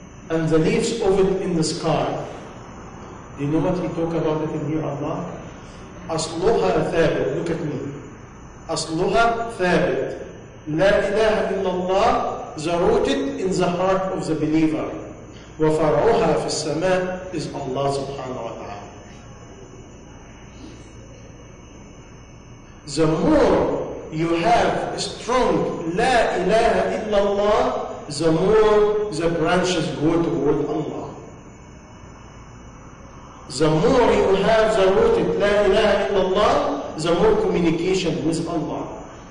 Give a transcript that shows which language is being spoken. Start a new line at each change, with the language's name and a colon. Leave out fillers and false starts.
English: And the leaves of it in the sky. Do you know what he talk about it in here, Allah?
Arabic: أصلها ثابت.
English: Look at me.
Arabic: أصلها ثابت. لا إله إلا الله.
English: The root in the heart of the believer.
Arabic: وفرعها في السماء
English: is Allah
Arabic: سبحانه وتعالى.
English: The more you have a strong La ilaha illallah, the more the branches go toward Allah. The more you have the rooted La ilaha illallah, the more communication with Allah.